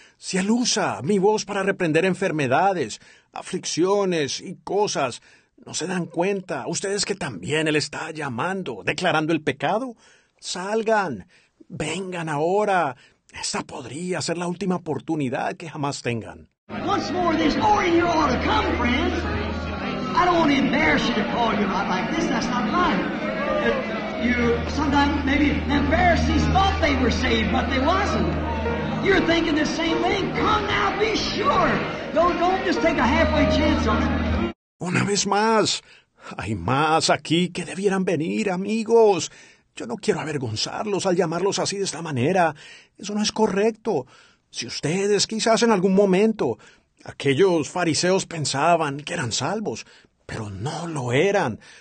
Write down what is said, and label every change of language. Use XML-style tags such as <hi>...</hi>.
<es>Si él usa mi voz para reprender enfermedades, aflicciones y cosas, ¿no se dan cuenta ustedes que también él está llamando, declarando el pecado? Salgan, vengan ahora. Esta podría ser la última oportunidad que jamás tengan.</es> <en>Once more, this morning you ought to come, friends. I don't want to embarrass you to call you out like this. That's not mine. You sometimes maybe the Pharisees thought they were saved, but they wasn't. You're thinking the same thing. Come now, be sure. Don't just take a halfway chance on it.</en> <es>Una vez más, hay más aquí que debieran venir, amigos. Yo no quiero avergonzarlos al llamarlos así de esta manera. Eso no es correcto. Si ustedes, quizás en algún momento, aquellos fariseos pensaban que eran salvos, pero no lo eran.</es>